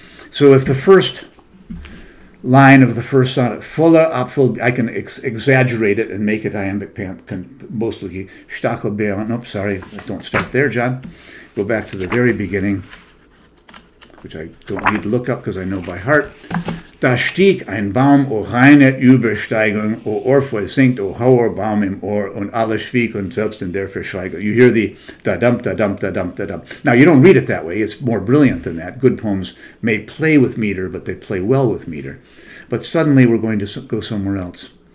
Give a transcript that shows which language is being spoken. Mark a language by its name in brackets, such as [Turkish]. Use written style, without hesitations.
[English] So if the first line of the first sonnet, [German] Voller Apfel, [English] I can exaggerate it and make it iambic mostly, Stachelbeeren, nope, sorry, don't start there, John. Go back to the very beginning, which I don't need to look up because I know by heart. [German] Da stieg ein Baum, o reine Übersteigung, o Orpheus singt, o hoher Baum im Ohr, und alle schwieg und selbst in der Verschweigung. [English] You hear the da-dump, da-dump, da-dump, da-dump. Now, you don't read it that way. It's more brilliant than that. Good poems may play with meter, but they play well with meter. But suddenly, we're going to go somewhere else.